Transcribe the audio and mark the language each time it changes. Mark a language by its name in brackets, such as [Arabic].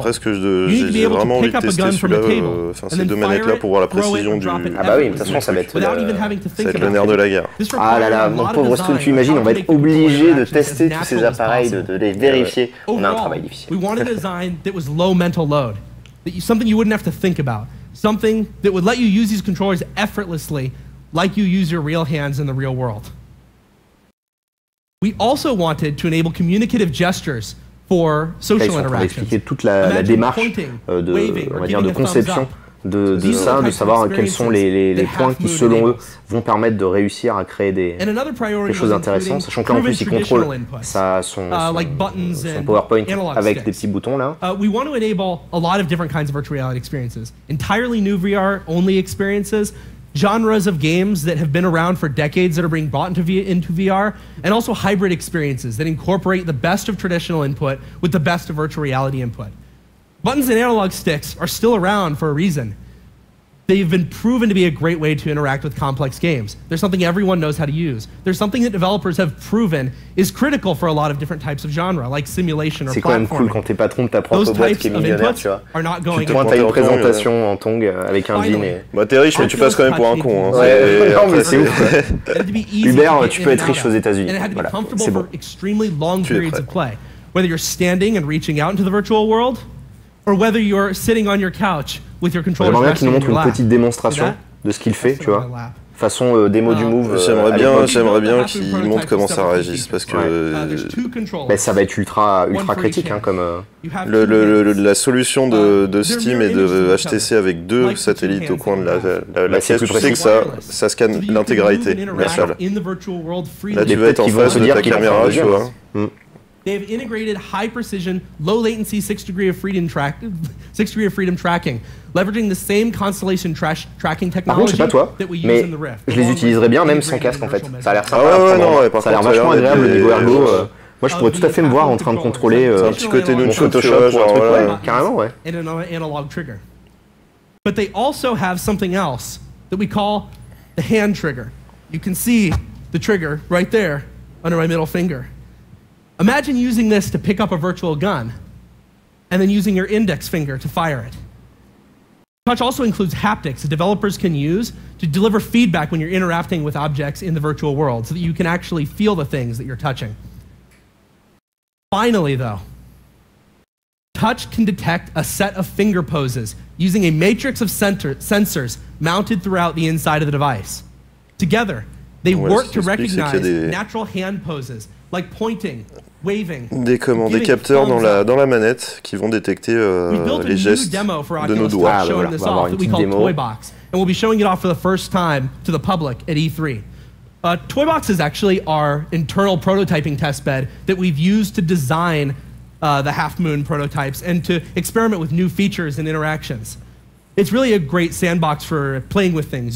[French] après, ce que j'ai vraiment envie de tester celui-là, ces deux manettes-là, pour voir la précision du... Ah bah oui, de toute façon, ça va être le nerf de la guerre. Ah là là, mon pauvre Stone, tu imagines, on va être obligé de tester tous ces appareils, de les vérifier. On a un travail difficile. [English] We wanted a design that was low mental load, something you wouldn't have to think about, something that would let you use these controllers effortlessly, like you use your real hands in the real world. We also wanted to enable communicative gestures for social interactions. [French] Expliquer toute la démarche de conception de ça, de savoir quels sont les points qui, selon eux, vont permettre de réussir à créer des choses intéressantes, sachant que là, en plus, ils contrôlent son PowerPoint avec des petits boutons, là. [English] We want to enable a lot of different kinds of virtual reality experiences. Entirely new VR-only experiences, genres of games that have been around for decades that are being brought into VR, and also hybrid experiences that incorporate the best of traditional input with the best of virtual reality input. Buttons and analog sticks are still around for a reason. They've been proven to be a great way to interact with complex games. They're something everyone knows how to use. They're something that developers have proven is critical for a lot of different types of genre, like simulation or [French] C'est quand même cool quand t'es patron de ta propre boîte qui est millionnaire, tu vois. Tu pointes à une présentation en tongue avec un jean et... Bah t'es riche, mais tu passes quand même pour un con. Non, mais c'est ouf. Hubert, tu peux être riche aux États-Unis. C'est bon. [English] Extremely long periods of play. Whether you're standing and reaching out into the virtual world, or whether you're sitting on your couch with your controller. [French] J'aimerais bien qu'il nous montre une petite démonstration de ce qu'il fait, tu vois. Façon démo du move. J'aimerais bien qu'il montre comment ça réagisse, parce que Ça va être ultra critique, hein, comme la solution de Steam et de HTC avec deux satellites au coin de la pièce. Tu sais que ça scanne l'intégralité, la salle. Là, tu vas être en face de ta caméra, tu vois. [English] They have integrated high precision, low latency, six degree of freedom tracking, leveraging the same constellation tracking technology that we use in the Rift. [French] Mais je les utiliserais bien même sans casque en fait. Ça a l'air sympa. Ah ouais, non, ouais, ça a l'air vachement agréable au niveau ergo. Moi, je pourrais tout à fait me voir en train de contrôler un petit côté de Photoshop, carrément, ouais. [English] And an analog trigger. But they also have something else that we call the hand trigger. You can see the trigger right there under my middle finger. Imagine using this to pick up a virtual gun and then using your index finger to fire it. Touch also includes haptics that developers can use to deliver feedback when you're interacting with objects in the virtual world so that you can actually feel the things that you're touching. Finally, though, touch can detect a set of finger poses using a matrix of sensors mounted throughout the inside of the device. Together, they work to recognize natural hand poses like pointing, waving, [French] des capteurs dans la manette qui vont détecter les gestes de nos doigts. Ah, voilà. On va avoir une petite démo. Toybox, [English] and we'll be showing it off for the first time to the public at E3. Toybox is actually our internal prototyping test bed that we've used to design the Half Moon prototypes and to experiment with new features and interactions. It's really a great sandbox for playing with things.